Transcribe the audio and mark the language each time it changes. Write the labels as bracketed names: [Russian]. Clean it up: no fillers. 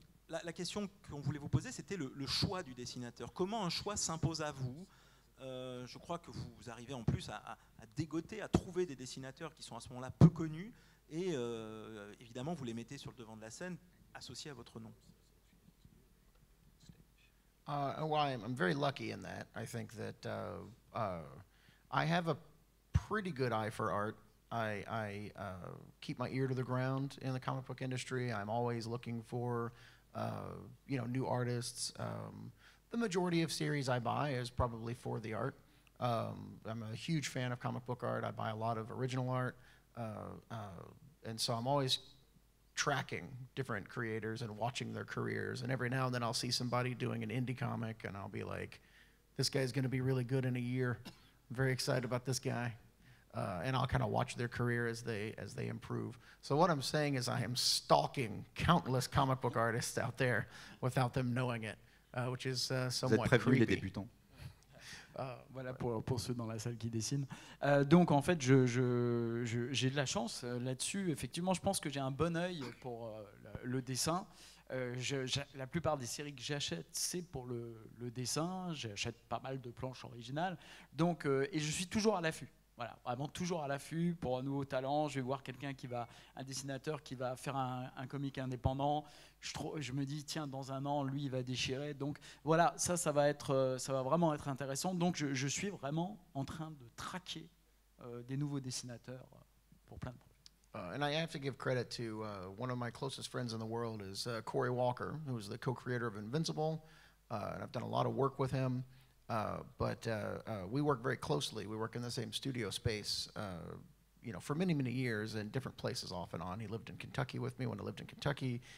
[French] La question qu'on voulait vous poser, c'était le choix du dessinateur. Comment un choix s'impose à vous ? Je crois que vous arrivez en plus à dégoter, à trouver des dessinateurs qui sont à ce moment-là peu connus, et évidemment vous les mettez sur le devant de la scène, associés à votre nom. [English] I'm very lucky in that. I think that I have a pretty good eye for art. I keep my ear to the ground in the comic book industry. I'm always looking for you know, new artists. The majority of series I buy is probably for the art. I'm a huge fan of comic book art. I buy a lot of original art. And so I'm always tracking different creators and watching their careers. And every now and then I'll see somebody doing an indie comic and I'll be like, this guy's gonna be really good in a year. I'm very excited about this guy. And I'll kind of watch their career as they improve. So what I'm saying is I am stalking countless comic book artists out there without them knowing it. Which is somewhat [French] Vous êtes prévenus, les débutants. Voilà pour ceux dans la salle qui dessinent. Donc en fait, j'ai de la chance là-dessus. Effectivement, je pense que j'ai un bon œil pour le dessin. La plupart des séries que j'achète, c'est pour le dessin. J'achète pas mal de planches originales. Donc, et je suis toujours à l'affût. Voilà, vraiment toujours à l'affût pour un nouveau talent. Je vais voir quelqu'un qui va, un dessinateur qui va faire un comic indépendant. Je me dis, tiens, dans un an, lui, il va déchirer. Donc voilà, ça va vraiment être intéressant. Donc je suis vraiment en train de traquer des nouveaux dessinateurs pour plein de projets. [English] And I have to give credit to one of my closest friends in the world is Corey Walker, who is the co-creator of Invincible. And I've done a lot of work with him. We work very closely. We work in the same studio space, you know, for many, many years in different places off and on. He lived in Kentucky with me when I lived in Kentucky.